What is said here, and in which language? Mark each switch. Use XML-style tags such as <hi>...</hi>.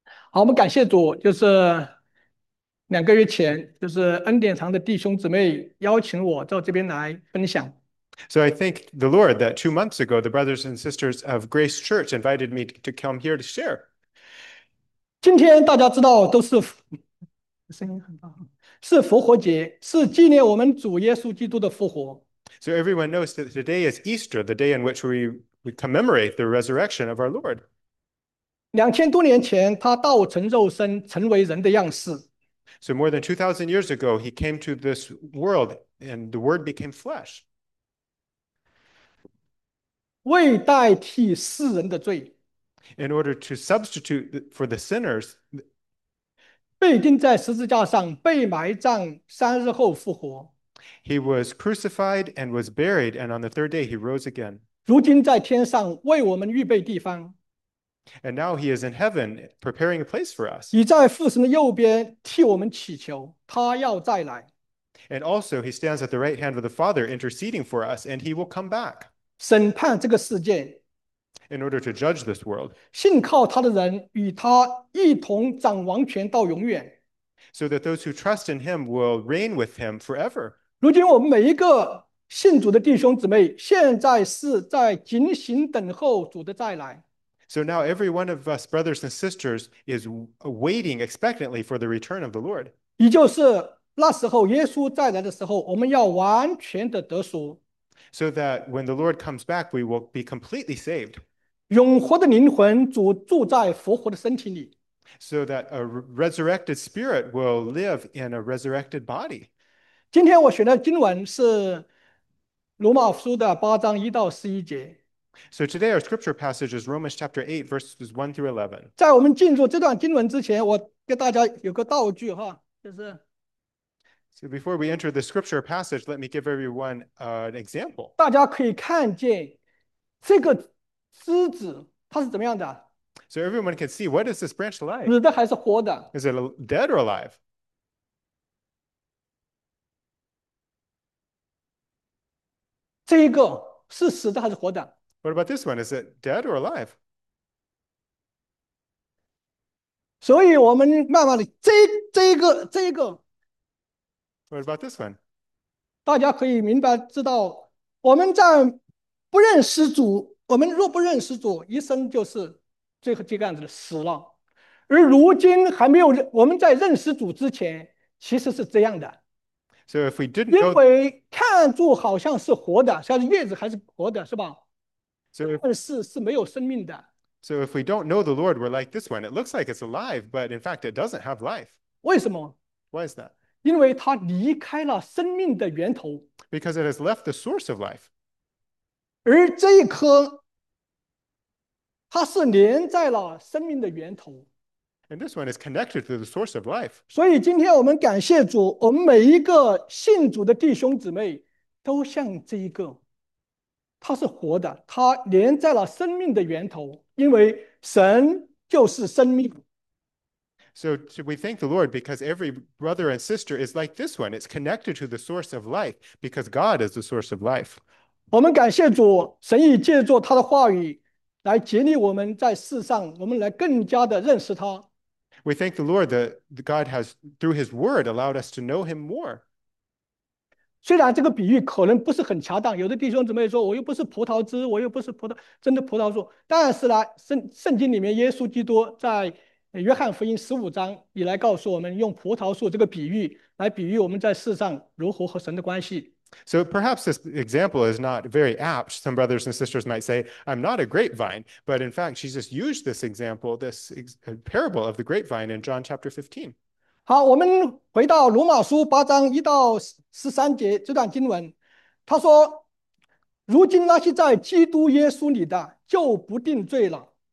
<zh>好，我们感谢主，就是2个月前，就是恩典堂的弟兄姊妹邀请我到这边来分享。</zh> <en>So I thank the Lord that 2 months ago, the brothers and sisters of Grace Church invited me to come here to share.</en> <zh>今天大家知道都是声音很大，是复活节，是纪念我们主耶稣基督的复活。</zh> <en>So everyone knows that today is Easter, the day in which we commemorate the resurrection of our Lord.</en> <zh>2000多年前，他道成肉身，成为人的样式。</zh> <en>So more than 2,000 years ago, he came to this world and the Word became flesh.</en> <zh>为代替世人的罪，</zh> <en>In order to substitute for the sinners,</en> <zh>被钉在十字架上，被埋葬，三日后复活。</zh> <en>He was crucified and was buried, and on the third day he rose again.</en> <zh>如今在天上，为我们预备地方。</zh> <en>And now he is in heaven, preparing a place for us.</en> <zh>已在父神的右边替我们祈求，他要再来。</zh> <en>And also he stands at the right hand of the Father, interceding for us, and he will come back</en> <zh>审判这个世界，</zh> <en>in order to judge this world.</en> <zh>信靠他的人与他一同掌王权到永远。</zh> <en>So that those who trust in him will reign with him forever.</en> <zh>如今我们每一个信主的弟兄姊妹，现在是在警醒等候主的再来。</zh> <en>So now every one of us, brothers and sisters, is waiting expectantly for the return of the Lord.</en> <zh>也就是那时候，耶稣再来的时候，我们要完全的得赎，</zh> <en>So that when the Lord comes back, we will be completely saved.</en> <zh>永活的灵魂主住在复活的身体里。</zh> <en>So that a resurrected spirit will live in a resurrected body.</en> <zh>今天我选的经文是罗马书的8章1到11节，</zh> <en>So today our scripture passage is Romans chapter 8, verses 1 through 11.</en> <zh>在我们进入这段经文之前，我给大家有个道具哈。就是</zh> <en>So before we enter the scripture passage, let me give everyone an example.</en> <zh>大家可以看见这个枝子它是怎么样的，</zh> <en>So everyone can see, what is this branch</en> <zh>死</zh> <en>like?</en> <zh>的还是活的？</zh> <en>Is it dead or alive?</en> <zh>这一个是死的还是活的？</zh> <en>What about this one? Is it dead or alive?</en> <zh>所以我们慢慢的，这一个，</zh> <en>What about this one?</en> <zh>大家可以明白知道，我们在不认识主，我们若不认识主，一生就是最后这个样子的死了。而如今还没有认，我们在认识主之前，其实是这样的。</zh> <en>So if we didn't</en> <zh>因</zh> <en>know,</en> <zh>为看住好像是活的，像是叶子还是活的，是吧？但是是没有生命的。</zh> <en>so if we don't know the Lord, we're like this one. It looks like it's alive, but in fact, it doesn't have life.</en> <zh>为什么？</zh> <en>Why is that?</en> <zh>因为它离开了生命的源头，</zh> <en>Because it has left the source of life.</en> <zh>而这一颗，它是连在了生命的源头。</zh> <en>And this one is connected to the source of life.</en> <zh>所以今天我们感谢主，我们每一个信主的弟兄姊妹都像这一个，他是活的，他连在了生命的源头，因为神就是生命。</zh> <en>So we thank the Lord because every brother and sister is like this one. It's connected to the source of life because God is the source of life.</en> <zh>我们感谢主，神已借助他的话语来激励我们在世上，我们来更加的认识他。</zh> <en>We thank the Lord that God has, through His Word, allowed us to know Him more.</en> <zh>虽然这个比喻可能不是很恰当，有的弟兄姊妹说，我又不是葡萄枝，我又不是葡萄，真的葡萄树。但是呢，圣经里面，耶稣基督在约翰福音15章以来告诉我们，用葡萄树这个比喻来比喻我们在世上如何和神的关系。</zh> <en>So perhaps this example is not very apt. Some brothers and sisters might say, I'm not a grapevine, but in fact, Jesus used this example, this ex parable of the grapevine in John chapter 15.</en> <zh>好，我们回到罗马书8章1到13节这段经文，他说：“如今那些在基督耶稣里的，就不定罪了。</zh>